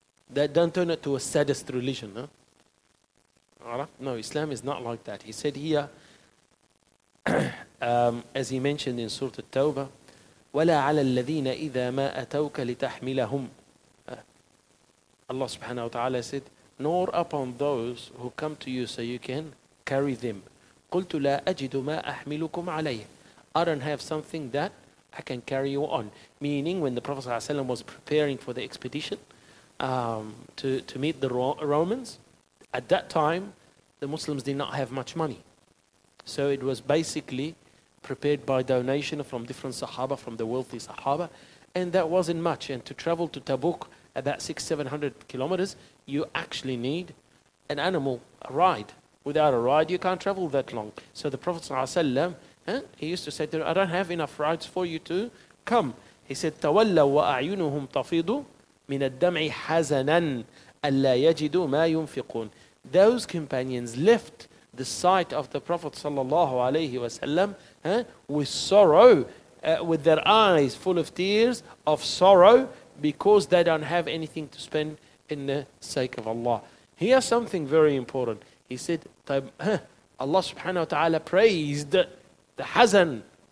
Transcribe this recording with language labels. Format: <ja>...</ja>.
<en>That don't turn it to a saddest religion. No, Islam is not like that. He said here, as he mentioned in Surah At-Tawbah,</en> <ar>وَلَا عَلَى الَّذِينَ إِذَا مَا أَتَوْكَ لِتَحْمِلَهُمْ.</ar> <en>Allah subhanahu wa ta'ala said, nor upon those who come to you so you can carry them.</en> <ar>قلت لا أجد ما أحملكم عليه.</ar> <en>I don't have something that I can carry you on. Meaning, when the Prophet ﷺ was preparing for the expedition to meet the Romans, at that time the Muslims did not have much money, so it was basically prepared by donation from different Sahaba, from the wealthy Sahaba, and that wasn't much. And to travel to Tabuk, about 600-700 kilometers, you actually need an animal, a ride. Without a ride, you can't travel that long. So the Prophet ﷺ, he used to say to them, I don't have enough rides for you to come. He said,</en> <ar>تَوَلَّوا وَأَعْيُنُهُمْ تَفِيضُ مِنَ الدَّمْعِ حَزَنًا أَلَّا يَجِدُوا مَا يُنْفِقُونَ.</ar> <en>Those companions left the sight of the Prophet ﷺ with sorrow, with their eyes full of tears, of sorrow, because they don't have anything to spend in the sake of Allah. Here's something very important. He said, Allah subhanahu wa ta'ala praised the hazan.</en>